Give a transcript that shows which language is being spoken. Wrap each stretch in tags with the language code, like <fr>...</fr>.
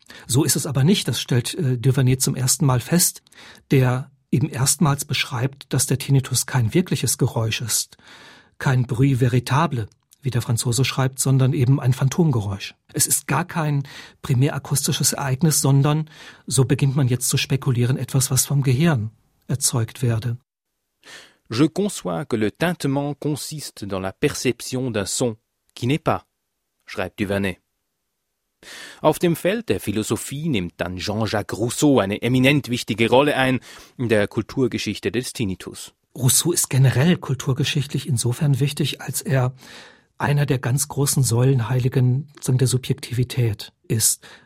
<de>So ist es aber nicht, das stellt Duvernay zum ersten Mal fest, der eben erstmals beschreibt, dass der Tinnitus kein wirkliches Geräusch ist, kein</de> <fr>bruit véritable,</fr> <de>wie der Franzose schreibt, sondern eben ein Phantomgeräusch. Es ist gar kein primär akustisches Ereignis, sondern, so beginnt man jetzt zu spekulieren, etwas, was vom Gehirn erzeugt werde.</de> <fr>Je conçois que le tintement consiste dans la perception d'un son qui n'est pas,</fr> <de>schreibt Duvernay. Auf dem Feld der Philosophie nimmt dann Jean-Jacques Rousseau eine eminent wichtige Rolle ein in der Kulturgeschichte des Tinnitus. Rousseau ist generell kulturgeschichtlich insofern wichtig, als er einer der ganz großen Säulenheiligen der Subjektivität ist.</de>